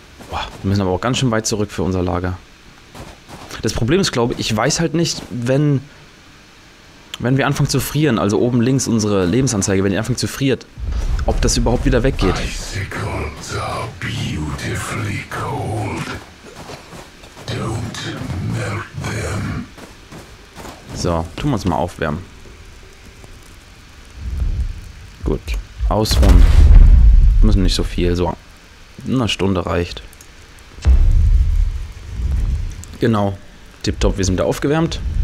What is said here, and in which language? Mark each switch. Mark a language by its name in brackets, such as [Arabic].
[German] Boah, wir müssen aber auch ganz schön weit zurück für unser Lager. Das Problem ist, glaube ich, ich weiß halt nicht, wenn wir anfangen zu frieren, also oben links unsere Lebensanzeige, wenn die anfangen zu friert, ob das überhaupt wieder weggeht. [English] Icicles are beautifully cold. Don't melt them. [German] So, tun wir uns mal aufwärmen. Gut, ausruhen. Müssen nicht so viel, so eine Stunde reicht. Genau, tipptopp, wir sind da aufgewärmt.